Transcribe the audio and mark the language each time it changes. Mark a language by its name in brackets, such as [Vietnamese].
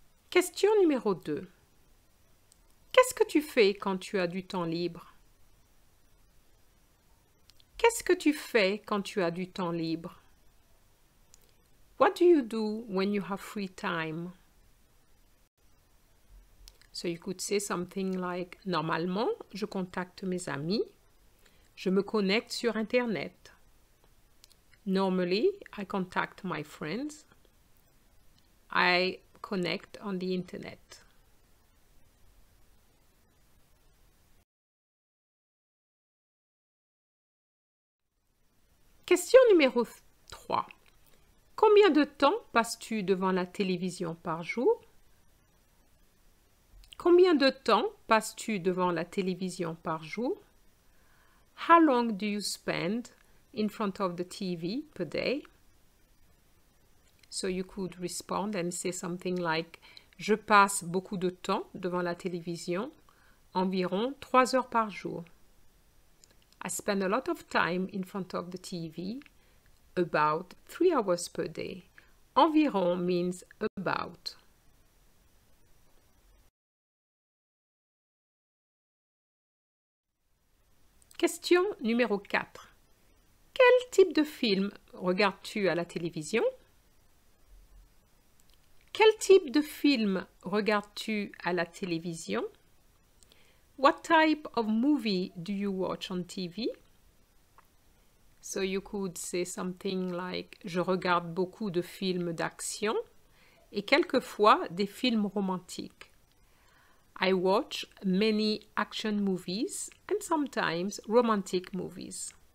[French] Question numéro 2. Qu'est-ce que tu fais quand tu as du temps libre? Qu'est-ce que tu fais quand tu as du temps libre? [English] What do you do when you have free time? So you could say something like, [French] normalement, je contacte mes amis. Je me connecte sur Internet. [English] Normally, I contact my friends. I connect on the Internet. [French] Question numéro 3. Combien de temps passes-tu devant la télévision par jour? Combien de temps passes-tu devant la télévision par jour? [English] How long do you spend in front of the TV per day? So you could respond and say something like, [French] je passe beaucoup de temps devant la télévision, environ 3 heures par jour. [English] I spend a lot of time in front of the TV, about 3 hours per day. Environ means about. [French] Question numéro 4. Quel type de film regardes-tu à la télévision? Quel type de film regardes-tu à la télévision? [English] What type of movie do you watch on TV? So you could say something like, [French] je regarde beaucoup de films d'action et quelquefois des films romantiques. [English] I watch many action movies and sometimes romantic movies.